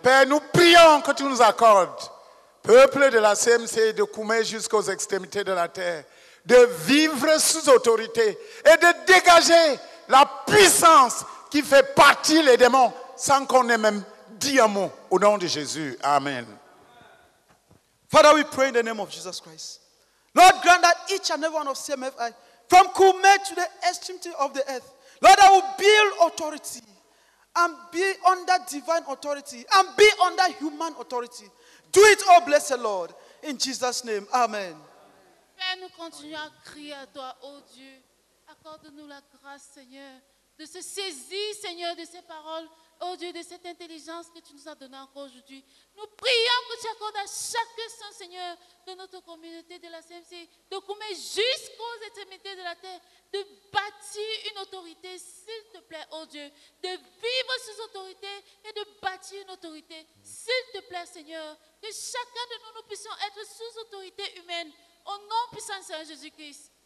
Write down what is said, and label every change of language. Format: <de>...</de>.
<fr>Père, nous prions que tu nous accordes, peuple de la CMC, de Kume jusqu'aux extrémités de la terre, de vivre sous autorité et de dégager la puissance qui fait partir les démons sans qu'on ait même dit un mot. Au nom de Jésus. Amen.</fr> <en>Father, we pray in the name of Jesus Christ. Lord, grant that each and every one of CMFI, from Kume to the extremity of the earth, Lord, I will build authority and be under divine authority and be under human authority. Do it, oh blessed Lord, in Jesus' name. Amen.</en> <fr>Père, nous continuons à crier à toi, oh Dieu. Accorde-nous la grâce, Seigneur, de se saisir, Seigneur, de ces paroles, oh Dieu, de cette intelligence que tu nous as donnée encore aujourd'hui. Nous prions que tu accordes à chaque saint, Seigneur, de notre communauté de la CMC, de Kume jusqu'aux extrémités de la terre, de bâtir une autorité, s'il te plaît, oh Dieu, de vivre sous autorité et de bâtir une autorité, s'il te plaît, Seigneur, que chacun de nous, nous puissions être sous autorité humaine, au nom puissant de Saint Jésus-Christ.</fr>